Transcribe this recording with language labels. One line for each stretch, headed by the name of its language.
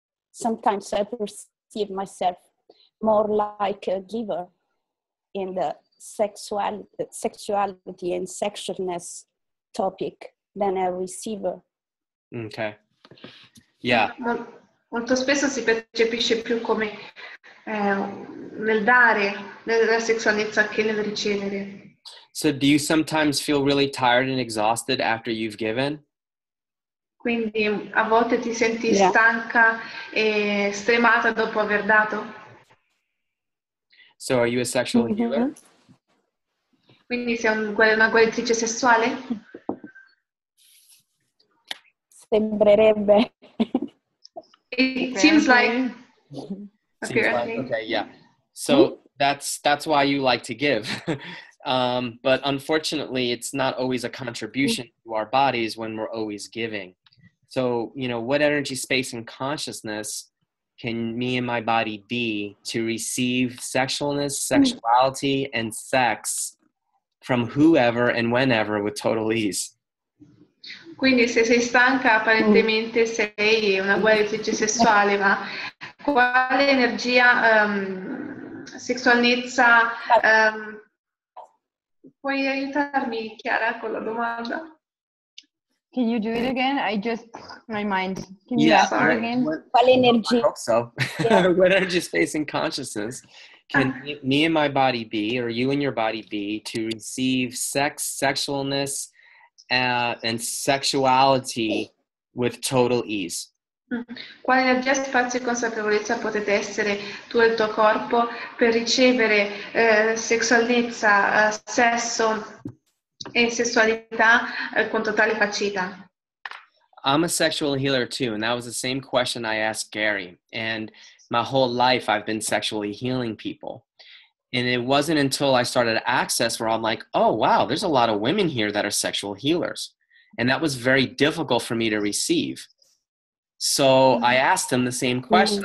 English: Sometimes I perceive myself more like a giver in the sexuality and sexualness topic than a receiver. Okay. Yeah.
Italian: Molto spesso si percepisce più come nel dare, nella sessualità, che nel ricevere.
English: So do you sometimes feel really tired and exhausted after you've given?
Italian: Quindi a volte ti senti stanca e stremata dopo aver dato?
English: So are you a sexual healer?
Italian: Quindi sei una guaritrice sessuale? Sembrerebbe.
English: It seems like, okay, yeah. So that's why you like to give. But unfortunately, it's not always a contribution to our bodies when we're always giving. So, you know, what energy, space, and consciousness can me and my body be to receive sexualness, sexuality, and sex from whoever and whenever with total ease?
Italian: Quindi se sei stanca apparentemente sei una guaritrice sessuale, ma quale energia, sessualità, puoi aiutarmi Chiara con la domanda?
English: Can you do it again? I just, my mind. Can yeah, you start right. again?
Italian: Quale energia?
English: I hope so. Yeah. What energy, space, and consciousness can me and my body be, or you and your body be, to receive sex, sexualness, and sexuality with total ease.
Italian: Quale energia, spazio e consapevolezza potete essere tu e il tuo corpo per ricevere sessualità, sesso e sessualità con totale facilità?
English: I'm a sexual healer too, and that was the same question I asked Gary. And my whole life I've been sexually healing people. And it wasn't until I started Access where I'm like, oh wow, there's a lot of women here that are sexual healers. And that was very difficult for me to receive. So I asked them the same question.